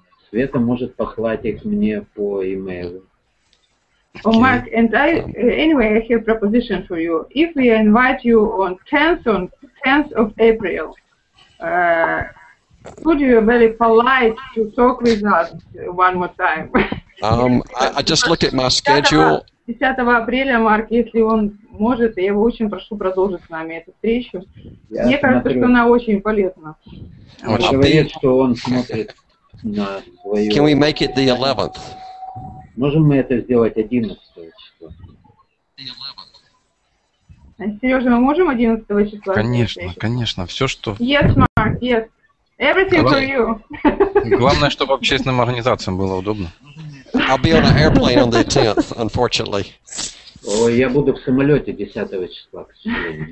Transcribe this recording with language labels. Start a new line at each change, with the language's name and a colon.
Russian: Света может послать их мне по e-mail.
English: Okay. Oh, Mark, and I anyway, I have a proposition for you. If we invite you on 10th of April, would you be very polite to talk with us one more time? I just looked at my schedule.
Russian: 10 апреля, Марк, если он может, я его очень прошу продолжить с нами эту встречу. Я Мне смотрю. Кажется, что она очень полезна. Говорит, что он смотрит на свою...
English: Can we make it the 11th?
Russian: Можем мы это сделать 11 числа?
English: The 11th.
Russian: Сережа, мы можем 11 числа? Конечно, все, что...
English: Yes, Марк, yes. Everything for you.
Russian: Главное, чтобы общественным организациям было удобно.
English: I'll be on an airplane on the 10th, unfortunately.
Russian: Oh, я буду в самолете 10 числа, к сожалению.